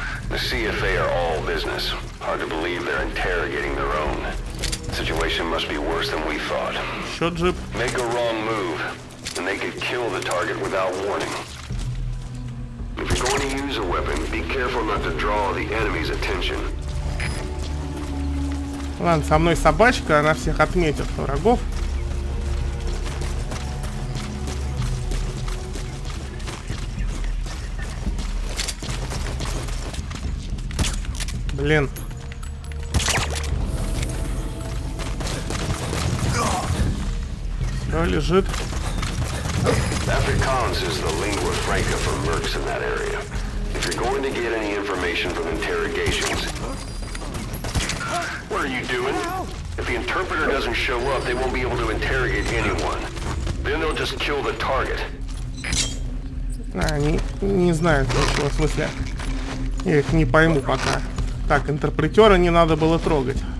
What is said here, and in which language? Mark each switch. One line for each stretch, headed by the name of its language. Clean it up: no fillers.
English: The CFA are all business. Hard to believe they're interrogating their own. Situation must be worse than we thought. Make a wrong move, and they could kill the target without warning. If you're going to use a weapon, be careful not to draw the enemy's attention.
Russian: Ладно, со мной собачка, она всех отметит врагов. Блин. Все лежит.
English: Afrikaans is the lingua franca for mercs in that area. If you're going to get any information from interrogations. What are you doing? If the interpreter doesn't show up, they won't be able to interrogate anyone. Then they'll just kill the target.
Russian: Они не знают, в каком смысле. Я их не пойму пока. Так, интерпретера не надо было трогать.